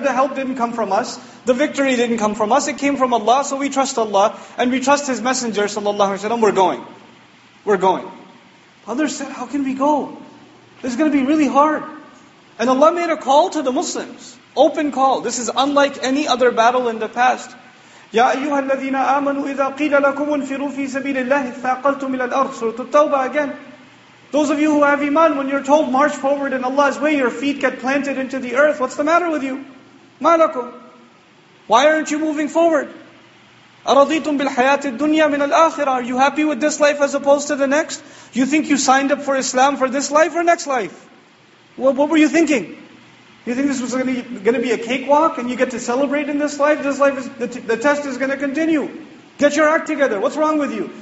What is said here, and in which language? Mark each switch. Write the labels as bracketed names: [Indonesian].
[English] The help didn't come from us. The victory didn't come from us. It came from Allah, so we trust Allah and we trust His Messenger sallallahu alaihi wasallam. We're going. We're going. Others said, how can we go? This is going to be really hard. And Allah made a call to the Muslims. Open call. This is unlike any other battle in the past. [Arabic] يا أيها الذين آمنوا إذا قيل لكم انفروا في سبيل الله ثاقلتم إلى الأرض. [English] Surah At-Tawbah again. Those of you who have iman, when you're told march forward in Allah's way, your feet get planted into the earth. What's the matter with you? [Arabic] ما لكم? [English] Why aren't you moving forward? [Arabic] أرضيتم بالحياة الدنيا من الآخرة. [English] Are you happy with this life as opposed to the next? You think you signed up for Islam for this life or next life? What were you thinking? You think this was going to be a cakewalk and you get to celebrate in this life? This life is, the test is going to continue. Get your act together. What's wrong with you?